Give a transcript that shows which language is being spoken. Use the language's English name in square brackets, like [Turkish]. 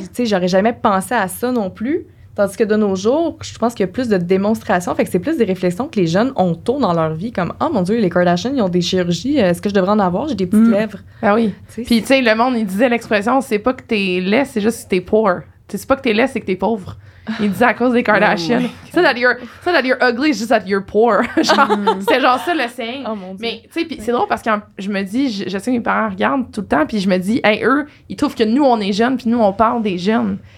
[French] Tu sais, j'aurais jamais pensé à ça non plus. Tandis que de nos jours, je pense qu'il y a plus de démonstrations. Fait que c'est plus des réflexions que les jeunes ont tôt dans leur vie. Comme, oh mon Dieu, les Kardashians, ils ont des chirurgies. Est-ce que je devrais en avoir? J'ai des petites lèvres. Ah ben oui. T'sais, puis, tu sais, le monde, il disait l'expression, c'est pas que t'es laid, c'est juste que t'es poor. C'est pas que t'es laid, c'est que t'es pauvre. Il disait à cause des Kardashians. [English] So that you're ugly, it's just that you're poor. [French] C'est genre ça le saying. Oh mon Dieu. Mais, tu sais, puis c'est drôle parce que je me dis, je sais que mes parents regardent tout le temps, puis je me dis, hey, eux, ils trouvent que nous, on est jeunes, puis nous, on parle des jeunes.